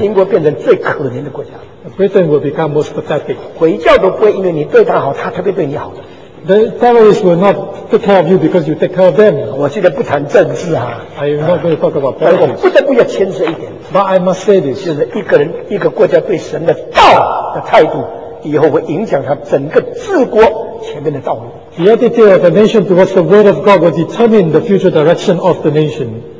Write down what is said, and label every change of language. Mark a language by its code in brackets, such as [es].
[zh] 英国变成最可怜的国家 [en] ，Britain will become most pathetic. [zh] 回教都不会因为你对他好，他特别对你好的。 [en] The terrorists will not take care of you because you take care of them. [zh] 我现在不谈政治啊 [en] ，I'm not going to talk about politics. [zh] 我不得不要谦虚一点 [en] ，but I must say this， [zh] 就是一个人一个国家对神的道的态度。以后会影响他整个治国前面的道路。 [en] The attitude of a nation towards the word of God will determine the future direction of the nation.